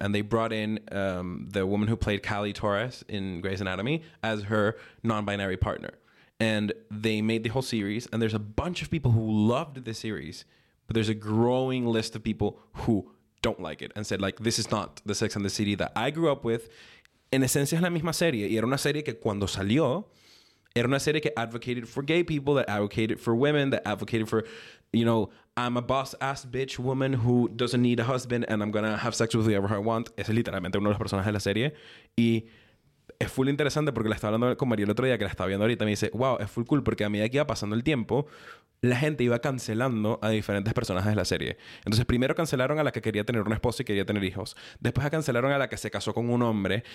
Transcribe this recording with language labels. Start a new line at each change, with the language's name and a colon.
English: And they brought in the woman who played Callie Torres in Grey's Anatomy as her non-binary partner. And they made the whole series, and there's a bunch of people who loved the series, but there's a growing list of people who don't like it and said, like, this is not the Sex and the City that I grew up with.
Spanish: En esencia es la misma serie, y era una serie que cuando salió... Era una serie que
English: advocated for gay people, that advocated for women, that advocated for, you know, I'm a boss-ass bitch woman who doesn't need a husband and I'm gonna have sex with whoever I want.
Spanish: Ese es literalmente uno de los personajes de la serie. Y es full interesante porque la estaba hablando con María el otro día, que la estaba viendo ahorita, y me dice, wow, es full cool, porque a medida que iba pasando el tiempo, la gente iba cancelando a diferentes personajes de la serie. Entonces, primero cancelaron a la que quería tener una esposa y quería tener hijos. Después cancelaron a la que se casó con un hombre.